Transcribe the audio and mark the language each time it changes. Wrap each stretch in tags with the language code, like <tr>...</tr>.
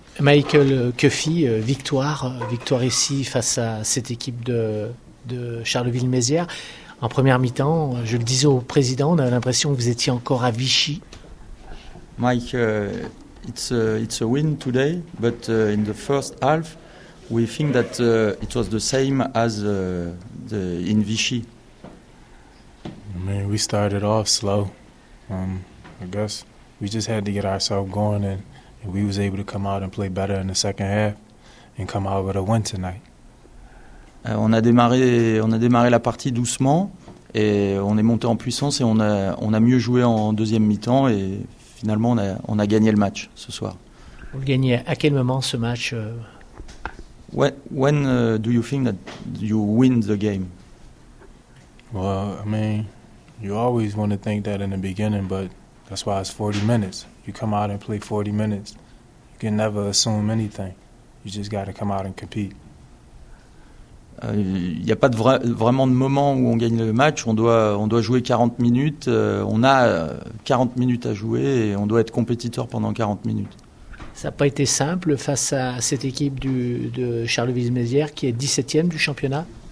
<fr>Michael Cuffy, victoire ici face à cette équipe de Charleville-Mézières. En première mi-temps, je le disais au président, on avait l'impression que vous étiez encore à Vichy.</fr> <en>Mike, it's a win today, but in the first half, we think that it was the same as in Vichy. I mean, we started off slow. I guess we just had to get ourselves going and we was able to come out and play better in the second half and come out with a win tonight.</en> <fr>On a démarré la partie doucement et on est monté en puissance et on a mieux joué en deuxième mi-temps et finalement on a gagné le match ce soir. Vous le gagnez à quel moment ce match?</fr> <en>When do you think that you win the game? Well, I mean, you always want to think that in the beginning, but that's why it's 40 minutes. You come out and play 40 minutes. You can never assume anything. You just got to come out and compete.</en> <fr>Il n'y a pas vraiment de moment où on gagne le match. On doit jouer 40 minutes. On a 40 minutes à jouer et on doit être compétiteur pendant 40 minutes. Ça n'a pas été simple face à cette équipe de Charleville-Mézières qui est 17e du championnat.</fr>